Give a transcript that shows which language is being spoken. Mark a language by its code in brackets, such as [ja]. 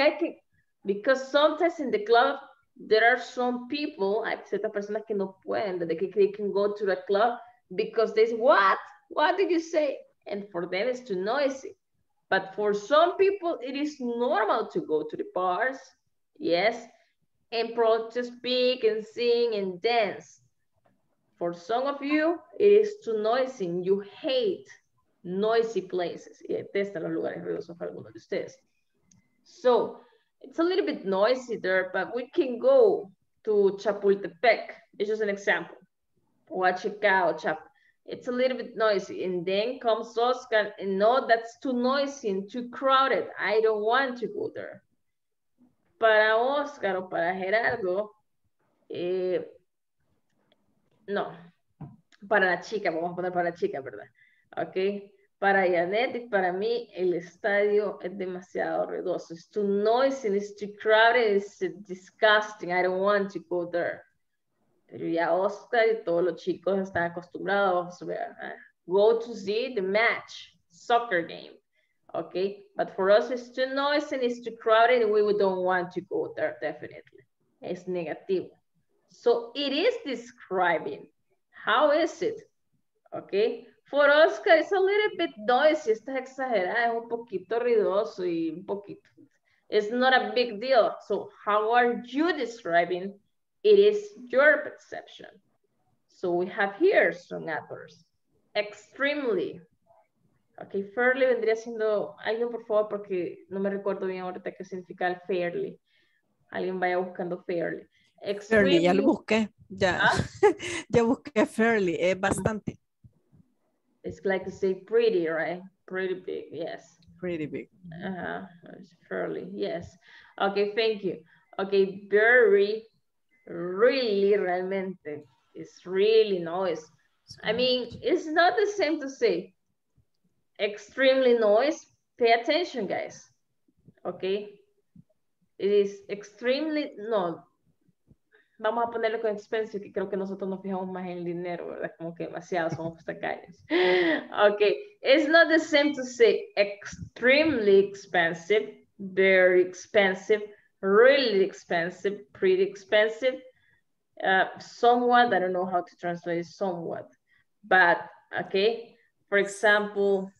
[en] I can, because sometimes in the club, there are some people, [es] hay ciertas personas que no pueden, [en] that they can go to the club because they say, what? What did you say? And for them, it's too noisy. But for some people, it is normal to go to the bars. Yes, and probably to speak and sing and dance. For some of you, it is too noisy. You hate noisy places. [es] Y detestan los lugares ruidosos para algunos de ustedes. [en] So, it's a little bit noisy there, but we can go to Chapultepec. It's just an example. Watch a cow, Chap. It's a little bit noisy. And then comes Oscar, and no, that's too noisy and too crowded. I don't want to go there. [es] Para Oscar o para Gerardo, no, para la chica, vamos a poner para la chica, ¿verdad? Ok, para Janet y para mí, el estadio es demasiado ruidoso. [en] It's too noisy, it's too crowded, it's disgusting, I don't want to go there. [es] Pero ya Oscar y todos los chicos están acostumbrados a [en] go to see the match, soccer game. Okay, but for us it's too noisy and it's too crowded and we don't want to go there, definitely. It's negative. So it is describing. How is it? Okay, for Oscar it's a little bit noisy. [es] Está exagerado, es un poquito ruidoso y un poquito. [en] It's not a big deal. So how are you describing? It is your perception. So we have here some adverbs. Extremely. [es] Okay, fairly vendría siendo, alguien por favor, porque no me recuerdo bien ahorita qué significa el fairly. Alguien vaya buscando fairly. Extremely. Fairly, ya lo busqué. Ya, ¿ah? Ya busqué fairly, es bastante. [en] It's like you say pretty, right? Pretty big, yes. Pretty big. Uh-huh. It's fairly, yes. Okay, thank you. Okay, very, really, realmente. It's really noise. I mean, it's not the same to say. Extremely noise, pay attention, guys. Okay, it is extremely no. [es] Vamos a ponerlo con expensive, que creo que nosotros nos fijamos más en el dinero, ¿verdad? Como que demasiado somos tacaños. [en] Okay, it's not the same to say extremely expensive, very expensive, really expensive, pretty expensive, somewhat. I don't know how to translate it, somewhat, but okay, for example.